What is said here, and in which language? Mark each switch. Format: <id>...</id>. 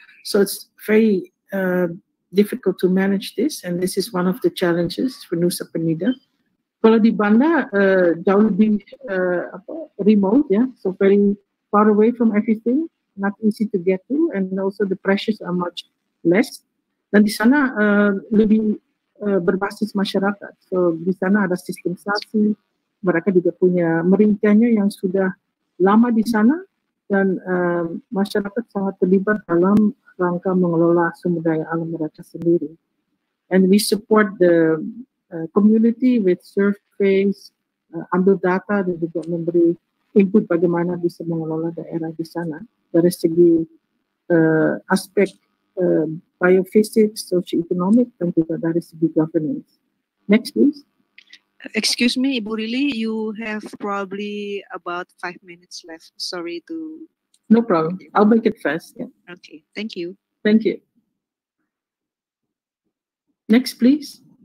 <en>So it's very difficult to manage this, and this is one of the challenges for Nusa Penida.</en> <id>Kalau di Banda, jauh lebih remote, yeah?</id> <en>So very far away from everything, not easy to get to, and also the pressures are much less.</en> <id>Dan di sana lebih berbasis masyarakat. So di sana ada sistemisasi, mereka juga punya merintahnya yang sudah lama di sana, dan masyarakat sangat terlibat dalam rangka mengelola sumber daya alam mereka sendiri.</id> <en>And we support the community with surveys,</en> <id>ambil data, dan juga memberi input bagaimana bisa mengelola daerah di sana dari segi aspek biophysics, socio-economic, dan juga dari segi governance.</id> <en>Next, please. Excuse me, Ibu Rili, you have probably about 5 minutes left. Sorry to... No problem. I'll make it fast. Yeah. Okay, thank you. Thank you. Next, please.</en>